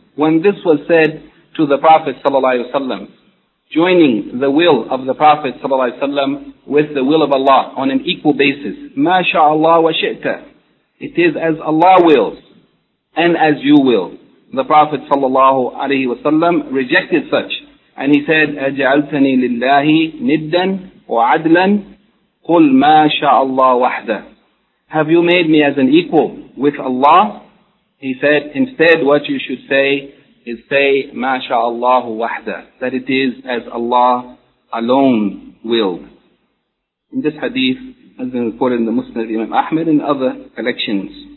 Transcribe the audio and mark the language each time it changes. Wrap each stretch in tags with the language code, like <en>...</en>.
<en>When this was said to the Prophet sallallahu alaihi wasallam, joining the will of the Prophet ﷺ with the will of Allah on an equal basis.</en> <ar>مَا شَاءَ اللَّهُ وَشِئْتَ.</ar> <en>It is as Allah wills and as you will. The Prophet ﷺ rejected such. And he said,</en> <ar>أَجَعَلْتَنِي لِلَّهِ نِدًّا وَعَدْلًا قُلْ مَا شَاءَ اللَّهُ وَحْدَهُ.</ar> <en>Have you made me as an equal with Allah? He said, instead what you should say is say,</en> <ar>ما شاء الله وحده,</ar> <en>that it is as Allah alone willed. In this hadith, as been reported in the Musnad of Imam Ahmed and other collections.</en>